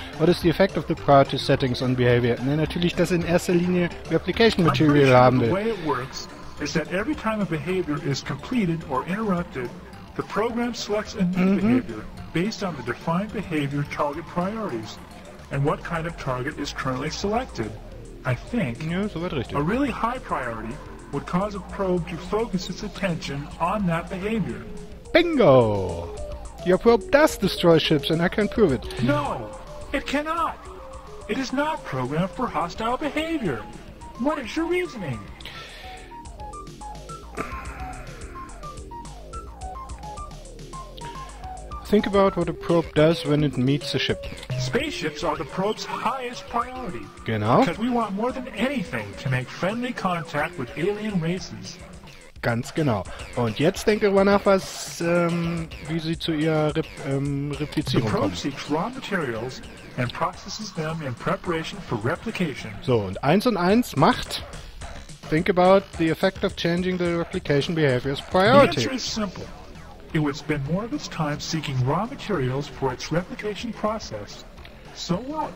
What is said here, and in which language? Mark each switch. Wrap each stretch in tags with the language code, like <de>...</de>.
<en>What is the effect of the priority settings on behavior?</en> <de>Ne, natürlich, dass in erster Linie Replication Material haben will.</de> <en>The way it works is that every time a behavior is completed or interrupted, the program selects a new behavior based on the defined behavior target priorities and what kind of target is currently selected. I think...</en> <de>Ja, soweit richtig.</de> <en>A really high priority would cause a probe to focus its attention on that behavior. Bingo! Your probe does destroy ships, and I can prove it. No, it cannot. It is not programmed for hostile behavior. What is your reasoning? Think about what a probe does when it meets a ship. Spaceships are the probe's highest priority.</en> <de>Genau.</de> <en>Because we want more than anything to make friendly contact with alien races.</en> <de>Ganz genau. Und jetzt denke mal nach, was, wie sie zu ihrer Replizierung kommen.</de> <en>The probe seeks raw materials and processes them in preparation for replication.</en> <de>So, und eins macht.</de> <en>Think about the effect of changing the replication behavior's priority. The answer is simple. It would spend more of its time seeking raw materials for its replication process. So what?</en>